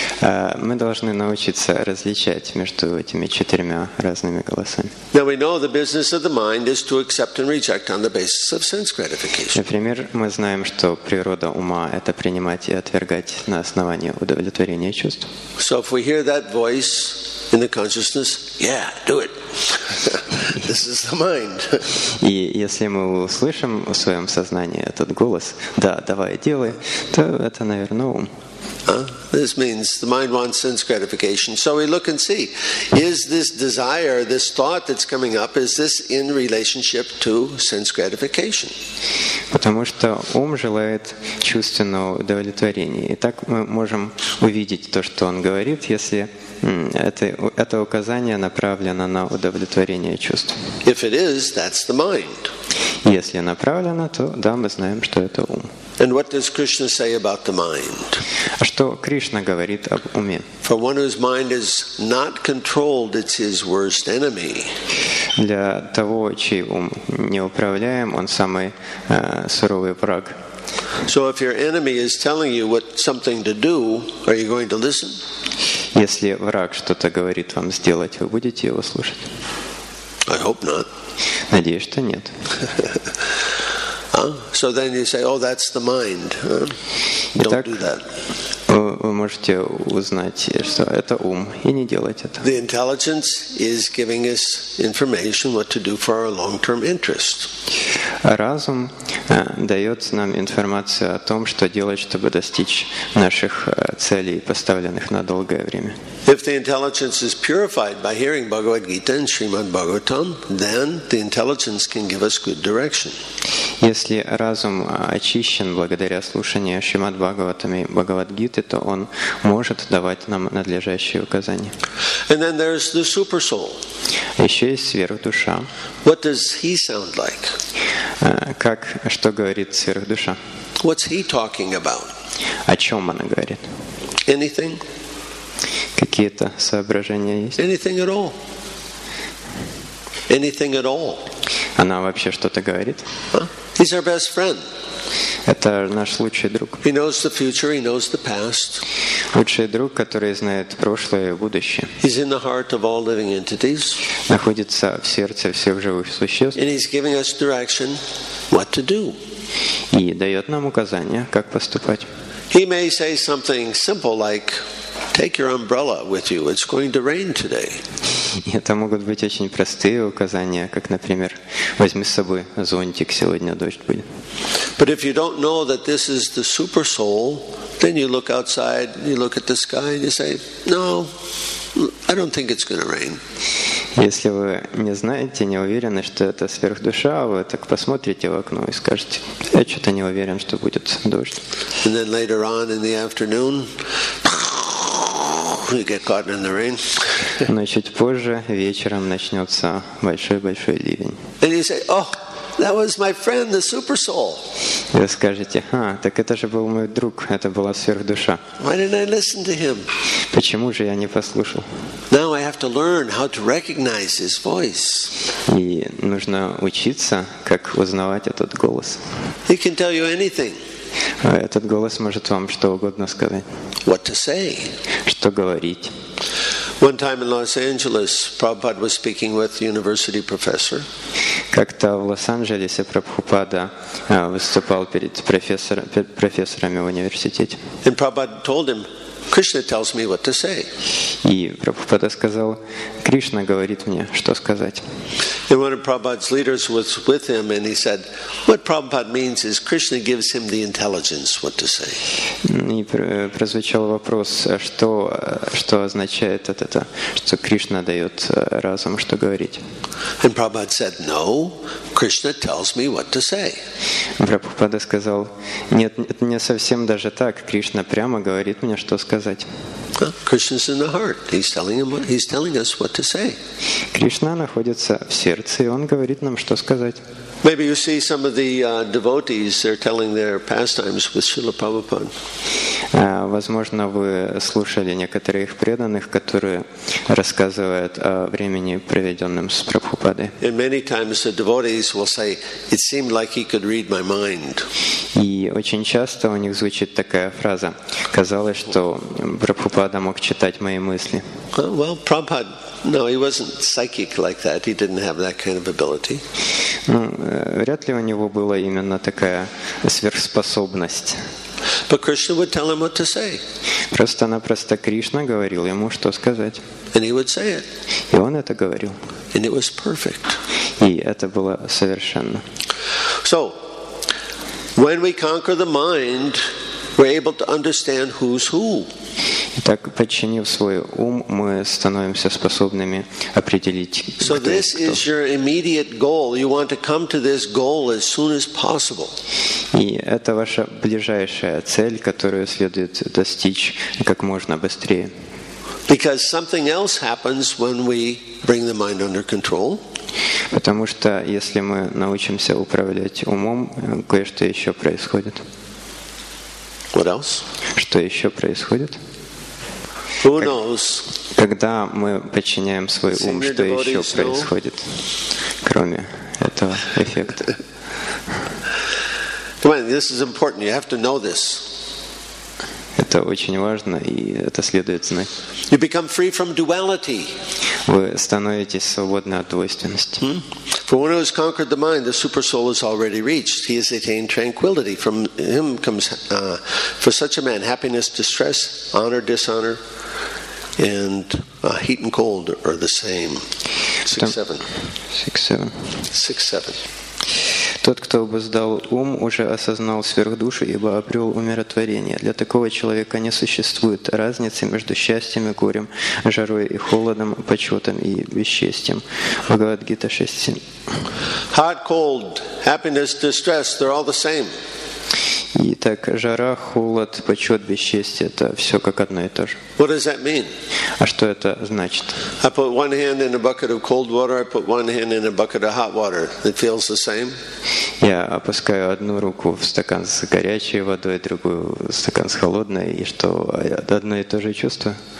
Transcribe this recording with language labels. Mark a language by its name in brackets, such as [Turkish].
[Russian] Мы должны научиться различать между этими четырьмя разными голосами. [English] Now we know the business of the mind is to accept and reject on the basis of sense gratification. [Russian] Например, мы знаем, что природа ума — это принимать и отвергать на основании удовлетворения чувств. [English] So if we hear that voice in the consciousness, yeah, do it. This is the mind. [Russian] И если мы услышим в своем сознании этот голос, да, давай, делай, то это, наверное, ум. [English] This means the mind wants sense gratification. So we look and see, is this desire, this thought that's coming up, is this in relationship to sense gratification? [Russian] Потому что ум желает чувственного удовлетворения. И так мы можем увидеть то, что он говорит, если это указание направлено на удовлетворение чувств. [English] If it is, that's the mind. [Russian] Если направлено, то да, мы знаем, что это ум. [English] And what does Krishna say about the mind? [Russian] Что Кришна говорит об уме? [English] For one whose mind is not controlled, it's his worst enemy. [Russian] Для того, чей ум неуправляем, он самый суровый враг. [English] So if your enemy is telling you what something to do, are you going to listen? [Russian] Если враг что-то говорит вам сделать, вы будете его слушать? [English] I hope not. [Russian] Надеюсь, что нет. [English] So then you say, oh, that's the mind. Don't [Russian] Итак, [English] do that. [Russian] Вы можете узнать, что это ум, и не делать это. [English] The intelligence is giving us information what to do for our long-term interest. [Russian] Разум дает нам информацию о том, что делать, чтобы достичь наших целей, поставленных на долгое время. [English] If the intelligence is purified by hearing Bhagavad Gita and Srimad Bhagavatam, then the intelligence can give us good direction. [Russian] Если разум очищен благодаря слушанию Шримад Бхагаватам и Бхагавад Гиты, то он может давать нам надлежащие указания. [English] And then there's the super soul. [Russian] Еще есть сверхдуша. [English] What does he sound like? [Russian] Как, что говорит сверхдуша? [English] What's he talking about? [Russian] О чем она говорит? [English] Anything? [Russian] Какие-то соображения есть? [English] Anything at all? Anything at all? [Russian] Она вообще что-то говорит? [English] He's our best friend. [Russian] Это наш лучший друг. [English] He knows the future, he knows the past. [Russian] Лучший друг, который знает прошлое и будущее. [English] He's in the heart of all living entities. [Russian] Находится в сердце всех живых существ. [English] And he's giving us direction what to do. [Russian] И дает нам указания, как поступать. [English] He may say something simple like, take your umbrella with you, it's going to rain today. [Russian] Это могут быть очень простые указания, как, например, возьми с собой зонтик, сегодня дождь будет. [English] But if you don't know that this is the super soul, then you look outside, you look at the sky, and you say, no, I don't think it's going to rain. [Russian] Если вы не знаете, не уверены, что это сверхдуша, вы так посмотрите в окно и скажете, я что-то не уверен, что будет дождь. [English] And then later on in the afternoon, we get caught in the rain. [Russian] Но чуть позже вечером начнется большой-большой ливень. [English] And you say, oh, that was my friend, the super soul. [Russian] Вы скажете, а, так это же был мой друг, это была сверхдуша. [English] Why didn't I listen to him? [Russian] Почему же я не послушал? [English] Now I have to learn how to recognize his voice. [Russian] И нужно учиться, как узнавать этот голос. [English] He can tell you anything. [Russian] Этот голос может вам что угодно сказать. [English] What to say? [Russian] Что говорить? [English] One time in Los Angeles, Prabhupada was speaking with a university professor. [Russian] Как-то в Лос-Анджелесе Прабхупада выступал перед профессорами в университете. [English] And Prabhupada told him, Krishna tells me what to say. [Russian] И Прабхупада сказал, Кришна говорит мне, что сказать. [English] And one of Prabhupada's leaders was with him, and he said, what Prabhupada means is Krishna gives him the intelligence what to say. [Russian] И прозвучал вопрос, что означает это, что Кришна дает разум, что говорить. [English] And Prabhupada said, no, Krishna tells me what to say. [Russian] Прабхупада сказал, нет, это не совсем даже так. Кришна прямо говорит мне, что сказать. [English] Krishna's in the heart. He's telling us what to say. [Russian] Кришна находится в сердце, и он говорит нам, что сказать. [English] Maybe you see some of the devotees, they're telling their pastimes with Srila Prabhupada. [Russian] Возможно, вы слушали некоторых преданных, которые рассказывают о времени, проведенном с Прабхупадой. [English] And many times the devotees will say, it seemed like he could read my mind. [Russian] И очень часто у них звучит такая фраза, казалось, что Прабхупада мог читать мои мысли. [English] Well, Prabhupada, no, he wasn't psychic like that. He didn't have that kind of ability. [Russian] Ну, вряд ли у него была именно такая сверхспособность. [English] But Krishna would tell him what to say. [Russian] Просто-напросто Кришна говорил ему, что сказать. [English] And he would say it. [Russian] И он это говорил. [English] And it was perfect. [Russian] И это было совершенно. [English] So, when we conquer the mind, we're able to understand who's who. [Russian] Итак, подчинив свой ум, мы становимся способными определить, кто есть кто. [English] So this is your immediate goal. You want to come to this goal as soon as possible. [Russian] И это ваша ближайшая цель, которую следует достичь как можно быстрее. [English] Because something else happens when we bring the mind under control. [Russian] Потому что если мы научимся управлять умом, кое-что еще происходит. [English] What else? [Russian] Что еще происходит? [English] Who knows? [Russian] Когда мы подчиняем свой ум, что еще происходит, кроме этого эффекта? [English] Come on, this is important. You have to know this. [Russian] Это очень важно, и это следует знать. [English] You become free from duality. [Russian] Вы становитесь свободны от двойственности. [English] For one who has conquered the mind, the super soul is already reached. He has attained tranquility. From him comes, for such a man, happiness, distress, honor, dishonor, and heat and cold are the same. 6-7. [Russian] Тот, кто обуздал ум, уже осознал сверхдушу, ибо обрел умиротворение. Для такого человека не существует разницы между счастьем и горем, жарой и холодом, почетом и бесчестьем. Бхагавад-гита 6.7. [English] Hot, cold, happiness, distress, they're all the same. [Russian] Итак, жара, холод, почет, бесчестье – это все как одно и то же. [English] What does that mean? [Russian] А что это значит? [English] I put one hand in a bucket of cold water, I put one hand in a bucket of hot water. It feels the same? [Russian] Я опускаю одну руку в стакан с горячей водой, другую в стакан с холодной, и что, одно и то же чувство?